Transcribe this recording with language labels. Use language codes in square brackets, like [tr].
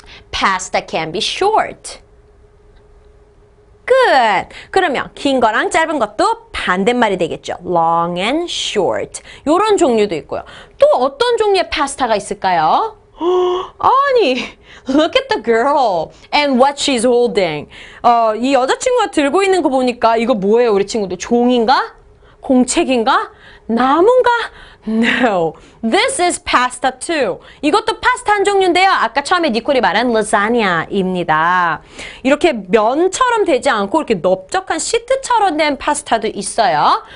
[en] Pasta can be short. Good. [ko] 그러면 긴 거랑 짧은 것도 반대말이 되겠죠. [en] Long and short. [ko] 이런 종류도 있고요. 또 어떤 종류의 파스타가 있을까요? [en] 아니, look at the girl and what she's holding. [ko] 이 여자친구가 들고 있는 거 보니까 이거 뭐예요, 우리 친구들? 종인가? 공책인가? 나무인가? No. [en] This is pasta too. [ko] 이것도 파스타 한 종류인데요. 아까 처음에 니콜이 말한 라자냐입니다. 이렇게 면처럼 되지 않고 이렇게 넓적한 시트처럼 된 파스타도 있어요.